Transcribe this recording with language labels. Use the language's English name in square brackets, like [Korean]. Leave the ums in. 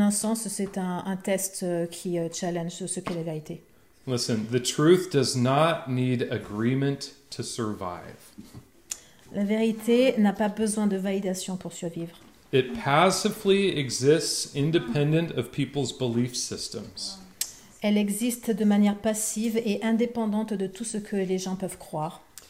[French] un sens, c'est un, un, test qui challenge ce qu'est la vérité. [English] Listen, the truth does not need agreement to survive. [French] La vérité n'a pas besoin de validation pour survivre. [English] It passively exists independent of people's belief systems. [French] Elle existe de manière passive et indépendante de tout ce que les gens peuvent croire.